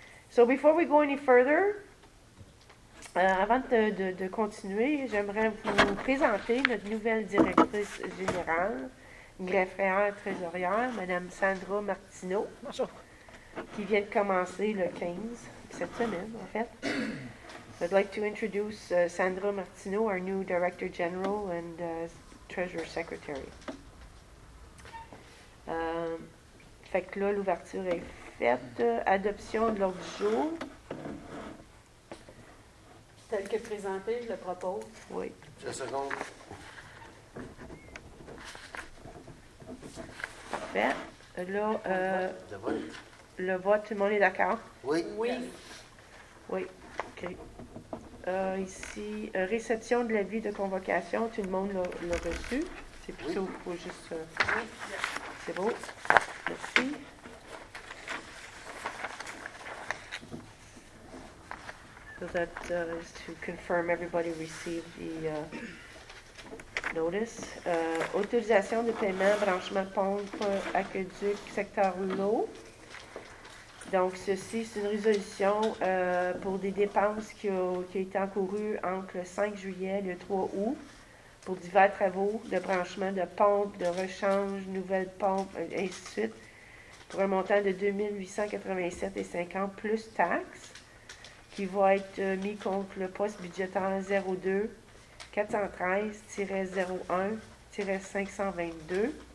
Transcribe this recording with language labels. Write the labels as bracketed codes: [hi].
[en] So before we go any further, [fr] avant de continuer, j'aimerais vous présenter notre nouvelle directrice générale, greffière trésorière, Mme Sandra Martineau. Bonjour. Qui vient de commencer le 15, cette semaine, en fait. [en] I'd like to introduce Sandra Martineau, our new Director General and Treasurer Secretary. [fr] Fait que là, l'ouverture est faite. Adoption de l'ordre du jour. Tel que présenté, je le propose. Oui. Je seconde. Fait. Là, le vote, tout le monde est d'accord? Oui. Oui. Oui. OK. Ici, réception de l'avis de convocation, tout le monde l'a reçu. C'est plutôt, oui. Faut juste... Oui. C'est beau. Merci. [en] So that is to confirm everybody received the notice. [fr] Autorisation de paiement, branchement pompe, aqueduc, secteur l'eau. Donc, ceci, c'est une résolution pour des dépenses qui a été encourues entre le 5 juillet et le 3 août pour divers travaux de branchement de pompes, de rechange, nouvelles pompes, et ainsi de suite, pour un montant de 2 887,50 $ plus taxes qui va être mis contre le poste budgétaire 02-413-01-522.